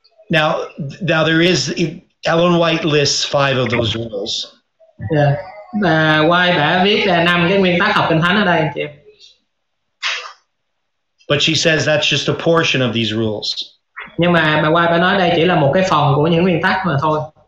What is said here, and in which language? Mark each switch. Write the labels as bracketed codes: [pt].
[en] Now there is, Ellen White lists five of those rules. Yeah. [vi] White đã viết là 5 cái nguyên tắc học Kinh Thánh ở đây anh chị. [en] But she says that's just a portion of these rules. [vi] Nhưng mà bà White đã nói đây chỉ là một cái phần của những nguyên tắc mà thôi.